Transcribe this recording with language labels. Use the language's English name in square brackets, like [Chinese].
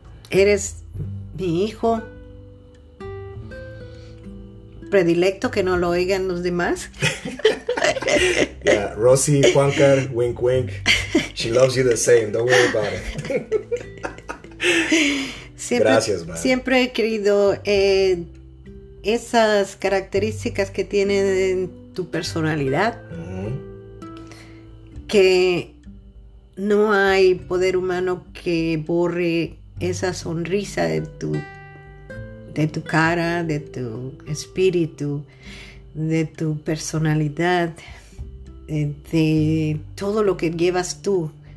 [Spanish] Eres mi hijo predilecto, que no lo oigan los demás. [English] Yeah, Rosy, Juancar, wink wink, she loves you the same, don't worry about it. [Spanish] Siempre, gracias, man. Siempre he querido esas características que tiene en tu personalidad, que no hay poder humano que borre esa sonrisa de tu cara, de tu espíritu, de tu personalidad, de todo lo que llevas tú.